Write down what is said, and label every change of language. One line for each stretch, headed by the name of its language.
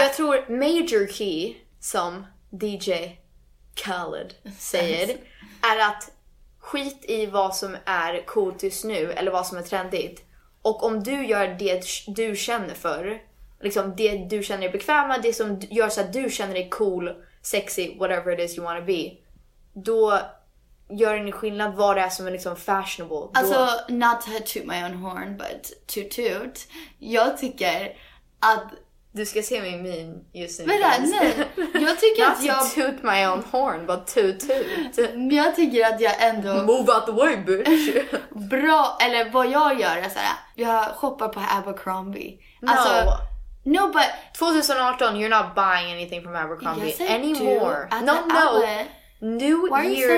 Swedish: Jag tror major key, som DJ Khaled säger, är att skit i vad som är coolt just nu, eller vad som är trendigt. Och om du gör det du känner för, liksom det du känner dig bekväm med, det som gör så att du känner dig cool, sexy,
English: whatever it is you wanna be,
Swedish: då gör ingen skillnad vad det är som är liksom fashionable.
English: Alltså, not to toot my own horn, but to toot.
Swedish: Jag tycker att... Du ska se min meme just nu. Vänta, nej. Jag tycker
English: not
Swedish: att jag...
English: Not to toot my own horn, but to toot.
Swedish: Men jag tycker att jag ändå...
English: Move out the way, bitch.
Swedish: Bra, eller vad jag gör är såhär, jag shoppar på Abercrombie. Alltså, no.
English: No, but... 2018, you're not buying anything from Abercrombie yes, anymore. Do. No, no. Outlet. New year,